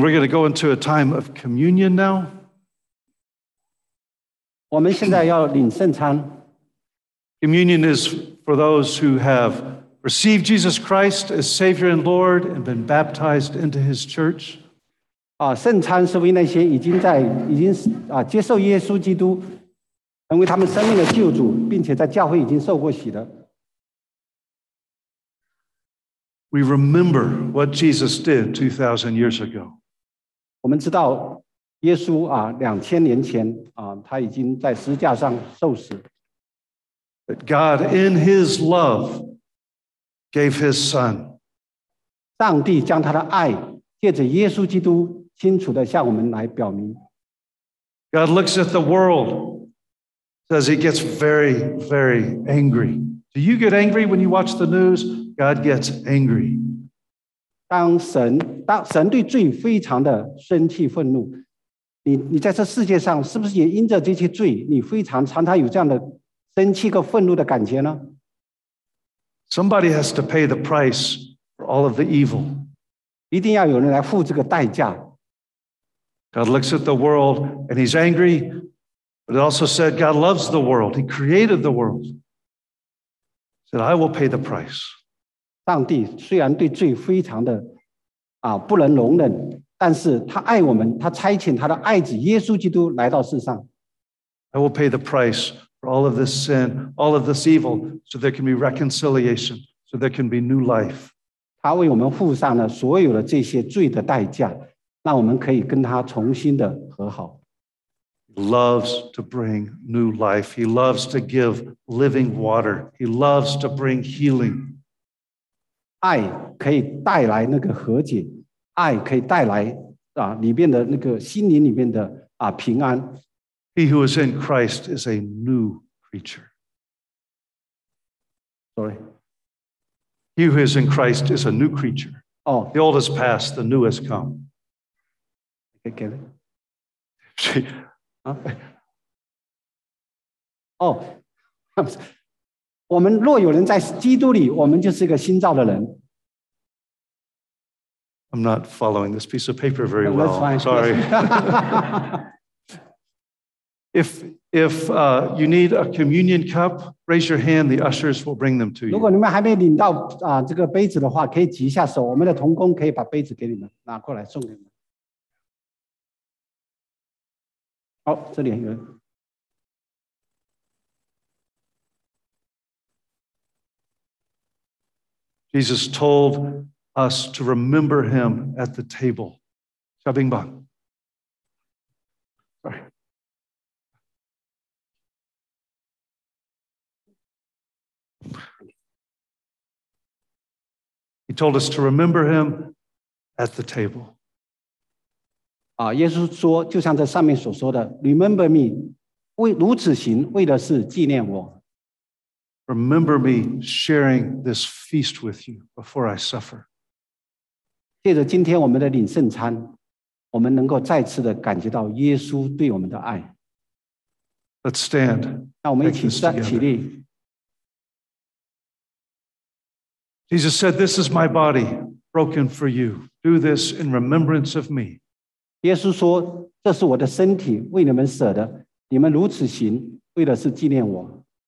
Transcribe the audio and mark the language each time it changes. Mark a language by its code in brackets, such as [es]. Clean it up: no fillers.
[en] We're going to go into a time of communion now. [zh] 我们现在要领圣餐。 [en] Communion is for those who have received Jesus Christ as Savior and Lord and been baptized into His church. [zh] 圣餐是为那些已经接受耶稣基督成为他们生命的救主，并且在教会已经受过洗的。 [en] We remember what Jesus did 2,000 years ago. [zh] 我们知道耶稣啊，两千年前啊，他已经在十字架上受死。 [en] But God, in His love, gave His Son. [zh] 上帝将他的爱借着耶稣基督清楚地向我们来表明。 [en] God looks at the world, says He gets very, very angry. Do you get angry when you watch the news? God gets angry. [zh] 当神对罪非常的生气愤怒，你在这世界上是不是也因着这些罪，你非常常常有这样的生气和愤怒的感觉呢？ [en] Somebody has to pay the price for all of the evil. [zh] 一定要有人来付这个代价。 [en] God looks at the world and He's angry, but it also said God loves the world. He created the world. He said, I will pay the price. [zh] 上帝虽然对罪非常的不能容忍，但是他爱我们，他差遣他的爱子耶稣基督来到世上。 [en] I will pay the price for all of this sin, all of this evil, so there can be reconciliation, so there can be new life. [zh] 他为我们付上了所有的这些罪的代价，让我们可以跟他重新的和好。 [en] He loves to bring new life. He loves to give living water. He loves to bring healing. [zh] 爱可以带来那个和解，爱可以带来里面的那个心灵里面的平安。 [en] He who is in Christ is a new creature. Sorry. He who is in Christ is a new creature. Oh. The old has passed, the new has come. Okay, Kevin. Huh? [zh] Oh,我们若有人在基督里，我们就是一个新造的人。 [en] I'm not following this piece of paper very well. That's fine. Sorry. if you need a communion cup, raise your hand. The ushers will bring them to you. [zh] 如果你们还没领到这个杯子的话，可以举一下手，我们的同工可以把杯子给你们拿过来送给你们。好，这里有。 [en] Jesus told. Us to remember him at the table. Shabing Bang. Sorry. He told us to remember him at the table. [zh] Ah, Jesus 说，就像这上面所说的 ， [en] Remember me. [zh] 为如此行，为的是纪念我。 [en] Remember me sharing this feast with you before I suffer. [zh] 借着今天我们的领圣餐，我们能够再次的感觉到耶稣对我们的爱。 [en] Let's stand. [zh] 那我们一起站起立。 [en] Jesus said, "This is my body, broken for you. Do this in remembrance of me." [zh] 耶稣说，这是我的身体，为你们舍的。你们如此行，为的是纪念我。